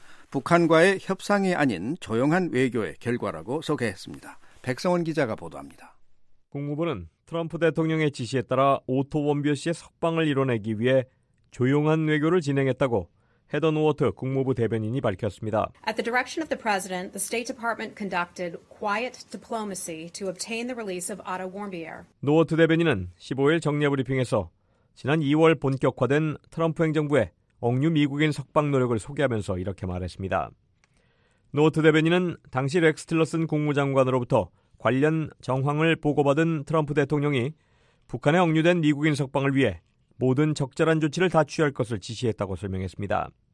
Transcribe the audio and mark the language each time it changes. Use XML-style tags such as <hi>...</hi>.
<ko>북한과의 협상이 아닌 조용한 외교의 결과라고 소개했습니다. 백성원 기자가 보도합니다. 국무부는 트럼프 대통령의 지시에 따라 오토 원비어 씨의 석방을 이뤄내기 위해 조용한 외교를 진행했다고 헤더 노워트 국무부 대변인이 밝혔습니다.</ko> <en>At the direction of the president, the State Department conducted quiet diplomacy to obtain the release of Otto Warmbier.</en> <ko>노워트 대변인은 15일 정례 브리핑에서 지난 2월 본격화된 트럼프 행정부의 억류 미국인 석방 노력을 소개하면서 이렇게 말했습니다. 노워트 대변인은 당시 렉스 틸러슨 국무장관으로부터 관련 정황을 보고받은 트럼프 대통령이 북한에 억류된 미국인 석방을 위해 모든 적절한 조치를 다 취할 것을 지시했다고 설명했습니다.</ko>